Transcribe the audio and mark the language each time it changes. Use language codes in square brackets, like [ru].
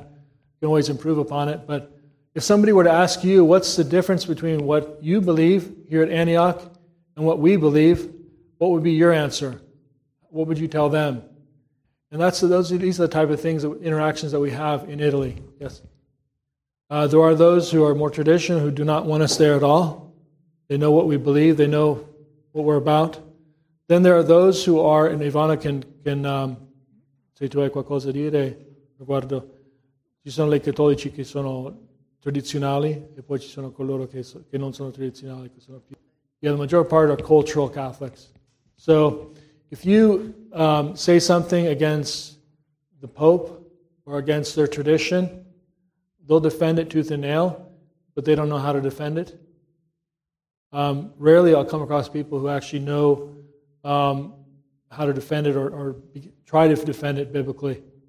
[en] You can always improve upon it. But if somebody were to ask you, what's the difference between what you believe here at Antioch and what we believe, what would be your answer? What would you tell them? And these are the type of things, interactions that we have in Italy. Yes. There are those who are more traditional who do not want us there at all. They know what we believe. They know what we're about. Then there are those who are, and Ivana can [it] se tu hai qualcosa da dire riguardo, ci sono le cattolici che sono tradizionali e poi ci sono coloro che non sono tradizionali, che sono più. [en] Yeah, the majority part are cultural Catholics. So if you say something against the Pope or against their tradition, they'll defend it tooth and nail, but they don't know how to defend it. Rarely I'll come across people who actually know how to defend it or try to defend it biblically.